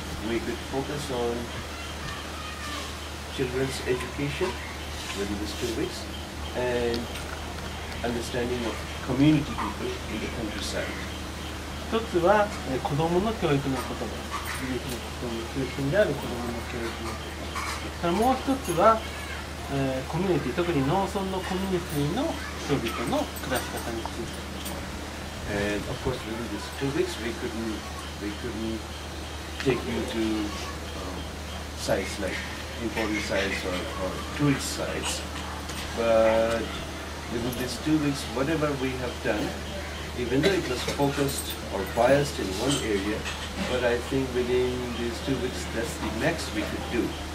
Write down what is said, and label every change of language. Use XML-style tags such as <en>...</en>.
<en>We could focus on children's education within these 2 weeks and understanding of community people in the countryside.</en> <ja>一つは、子どもの教育のことです。地域の子どもの中心である子どもの教育のことです。からもう一つは、コミュニティ、特に農村のコミュニティの人々の暮らし方についてです。</ja> <en>And of course, within these 2 weeks, we couldn't take you to sites like important sites or tourist sites. But within these 2 weeks, whatever we have done,even though it was focused or biased in one area, but I think within these 2 weeks, that's the max we could do.</en>